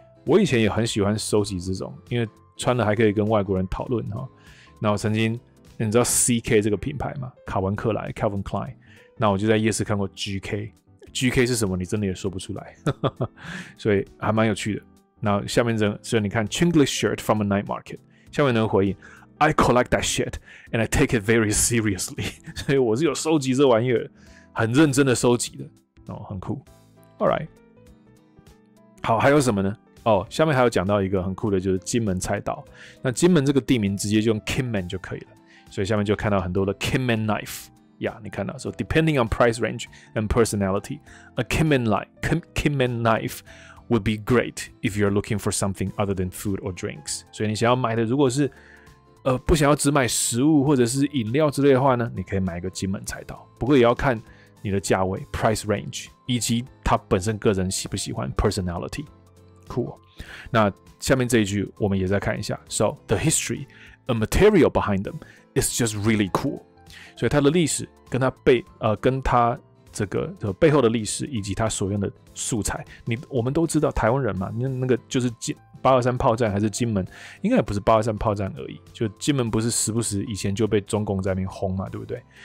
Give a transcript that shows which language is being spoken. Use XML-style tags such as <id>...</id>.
<zh>我以前也很喜欢收集这种，因为穿了还可以跟外国人讨论。那我曾经你知道 CK 这个品牌吗？卡文克莱 Calvin Klein。那我就在夜市看过 GK 是什么你真的也说不出来所以还蛮有趣的。那下面这所以你看</zh> <en>Chinglish shirt from a night market，</en> <zh>下面能回应</zh> <en>I collect that shit and I take it very seriously.</en> <zh>所以我是有收集这玩意儿，很认真的收集的，哦，很酷。</zh> <en>All right，</en> <zh>好，还有什么呢？哦，下面还有讲到一个很酷的，就是金门菜刀。那金门这个地名直接就用 Kinman 就可以了。所以下面就看到很多的 Kinman knife 呀，你看到说 ，</zh> <en>depending on price range and personality, a Kinman knife would be great if you're looking for something other than food or drinks.</en> <zh>所以你想要买的，如果是不想要只买食物或者是饮料之类的话呢，你可以买一个金门菜刀。不过也要看你的价位 price range， 以及他本身个人喜不喜欢 personality。Cool。那下面这一句我们也再看一下。</zh> <en>So the history, a material behind them is just really cool。</en> <zh>所以它的历史跟它跟它这个背后的历史以及它所用的素材，我们都知道台湾人嘛，那个就是金。八二三炮战还是金门，应该也不是八二三炮战而已，就金门不是时不时以前就被中共在那边轰嘛，对不对？</zh>